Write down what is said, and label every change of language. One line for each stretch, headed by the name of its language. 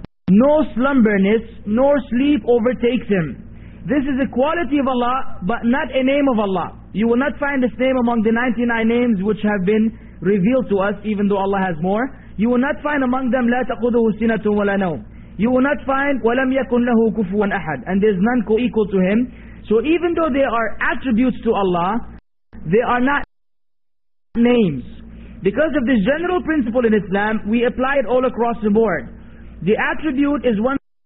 English: No slumberness nor sleep overtakes him. This is a quality of Allah, but not a name of Allah. You will not find this name among the 99 names which have been revealed to us, even though Allah has more. You will not find among them,
Arabic: لَا تَقُدُهُ سِنَةٌ وَلَا نَوْمٌ.
English: You will not find,
Arabic: وَلَمْ يَكُنْ لَهُ كُفُوًا أَحَدٌ.
English: And there's none co-equal to him. So even though they are attributes to Allah, they are not names. Because of this general principle in Islam, we apply it all across the board. The attribute is one